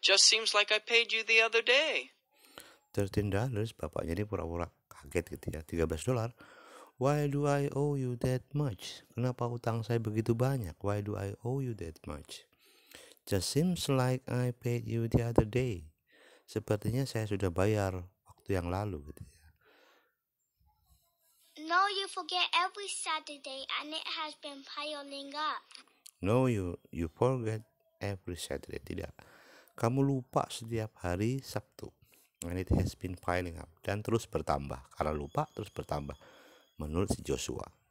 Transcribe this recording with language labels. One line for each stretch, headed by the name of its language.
English: Just seems like I paid you the other day.
Indonesian: $13, bapaknya ini pura-pura kaget gitu ya. $13.
English: Why do I owe you that much?
Indonesian: Kenapa utang saya begitu banyak?
English: Why do I owe you that much? Just seems like I paid you the other day.
Indonesian: Sepertinya saya sudah bayar waktu yang lalu gitu ya.
English: No, you forget every Saturday and it has been piling up. No, you forget every Saturday.
Indonesian: Tidak. Kamu lupa setiap hari Sabtu.
English: And it has been piling up.
Indonesian: Dan terus bertambah. Karena lupa terus bertambah. Menurut si Joshua.